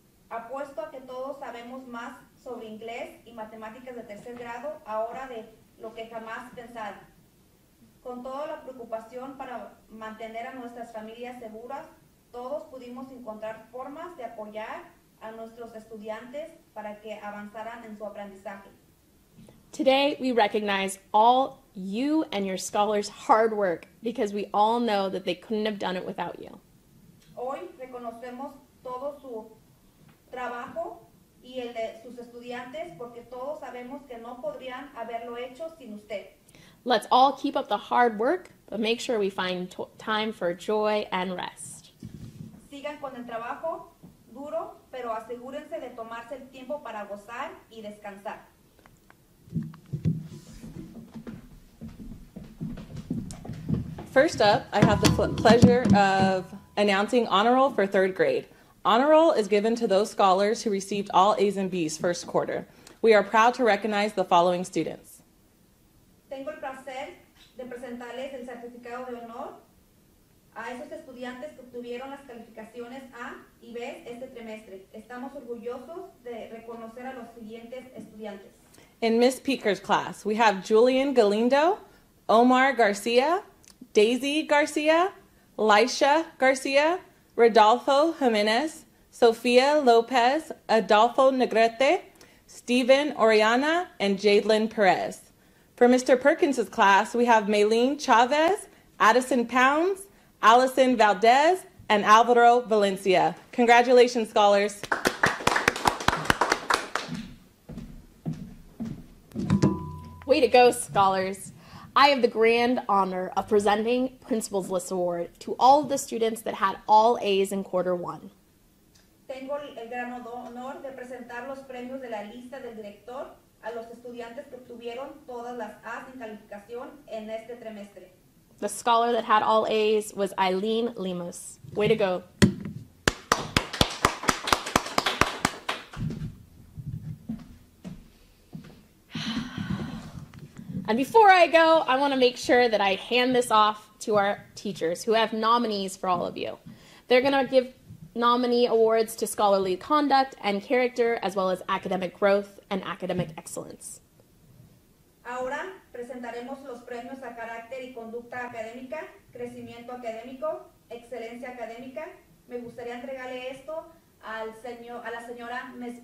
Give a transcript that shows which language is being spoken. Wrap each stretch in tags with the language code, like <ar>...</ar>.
<es>Apuesto a que todos sabemos más sobre inglés y matemáticas de tercer grado ahora de lo que jamás pensaron. Con toda la preocupación para mantener a nuestras familias seguras, todos pudimos encontrar formas de apoyar a nuestros estudiantes para que avanzaran en su aprendizaje.</es> <en>Today, we recognize all you and your scholars' hard work because we all know that they couldn't have done it without you.</en> <es>Hoy, reconocemos todo su trabajo y el de sus estudiantes porque todos sabemos que no podrían haberlo hecho sin usted.</es> <en>Let's all keep up the hard work, but make sure we find time for joy and rest.</en> <es>Sigan con el trabajo duro, pero asegúrense de tomarse el tiempo para gozar y descansar.</es> <en>First up, I have the pleasure of announcing honor roll for 3rd grade. Honor roll is given to those scholars who received all A's and B's first quarter. We are proud to recognize the following students.</en> <es>Tengo el placer de presentarles el certificado de honor a esos estudiantes que obtuvieron las calificaciones A y B este trimestre. Estamos orgullosos de reconocer a los siguientes estudiantes.</es> <en>In Ms. Peeker's class, we have Julian Galindo, Omar Garcia, Daisy Garcia, Lisha Garcia, Rodolfo Jimenez, Sofia Lopez, Adolfo Negrete, Steven Oriana, and Jadelyn Perez. For Mr. Perkins's class, we have Maylene Chavez, Addison Pounds, Allison Valdez, and Alvaro Valencia. Congratulations, scholars. Way to go, scholars. I have the grand honor of presenting Principal's List Award to all of the students that had all A's in quarter one.</en> <es>Tengo el gran honor de presentar los premios de la lista del director a los estudiantes que obtuvieron todas las A's en calificación en este trimestre.</es> <en>The scholar that had all A's was Eileen Lemus. Way to go. And before I go, I want to make sure that I hand this off to our teachers who have nominees for all of you. They're going to give nominee awards to scholarly conduct and character, as well as academic growth and academic excellence.</en> <es>Ahora presentaremos los premios a carácter y conducta académica, crecimiento académico, excelencia académica. Me gustaría entregarle esto al señor, a la señora Ms.</es>